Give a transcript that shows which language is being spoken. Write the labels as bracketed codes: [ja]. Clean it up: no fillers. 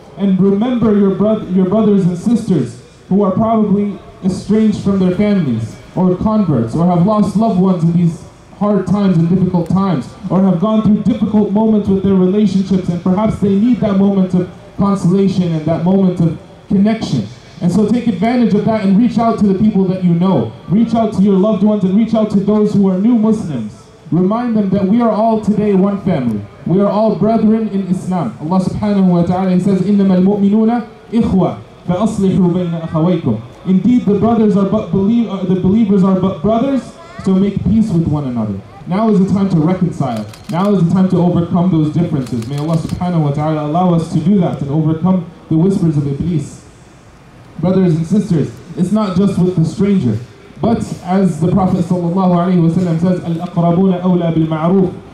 [en] And remember your brothers and sisters who are probably estranged from their families or converts or have lost loved ones in these hard times and difficult times or have gone through difficult moments with their relationships and perhaps they need that moment of consolation and that moment of connection. And so take advantage of that and reach out to the people that you know. Reach out to your loved ones and reach out to those who are new Muslims. Remind them that we are all today one family. We are all brethren in Islam. [ar] Allah subhanahu wa ta'ala [en] says, [ar] إِنَّمَا الْمُؤْمِنُونَ إِخْوَةٌ فَأَصْلِحُوا بَيْنَ أَخَوَيْكُمْ. [en] Indeed, the believers are but brothers, so make peace with one another. Now is the time to reconcile. Now is the time to overcome those differences. May Allah subhanahu wa ta'ala allow us to do that and overcome the whispers of Iblis. Brothers and sisters, it's not just with the stranger, but as the Prophet sallallahu alaihi wasallam says, [ar] الْأَقْرَبُونَ أَوْلَى بِالْمَعْرُوفِ.